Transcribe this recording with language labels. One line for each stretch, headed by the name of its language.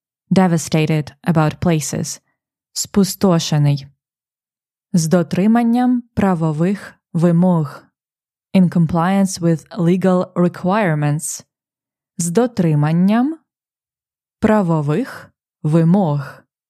English: Devastated about places.
Ukrainian: Спустошений. З дотриманням правових вимог.
English: In compliance with legal requirements.
Ukrainian: З дотриманням правових вимог.